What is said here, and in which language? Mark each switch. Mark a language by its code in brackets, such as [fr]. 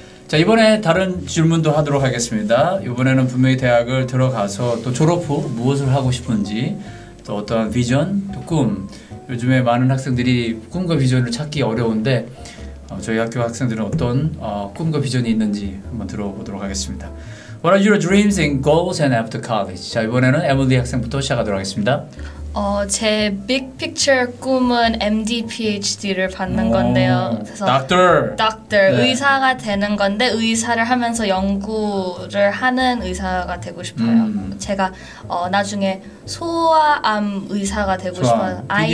[ko] 자 이번에 다른 질문도 하도록 하겠습니다. 이번에는 분명히 대학을 들어가서 또 졸업 후 무엇을 하고 싶은지 또 어떠한 비전 또 꿈 요즘에 많은 학생들이 꿈과 비전을 찾기 어려운데 저희 학교 학생들은 어떤 꿈과 비전이 있는지 한번 들어보도록 하겠습니다. [en] What are your dreams and goals and after college? [ko] 자 이번에는 에밀리 학생부터 시작하도록 하겠습니다. 제 big picture 꿈은 MD, PhD를 받는 건데요. 그래서 doctor 네. 의사가 되는 건데 의사를 하면서 연구를 하는 의사가 되고 싶어요. 제가 나중에 소아암 의사가 되고 싶어요.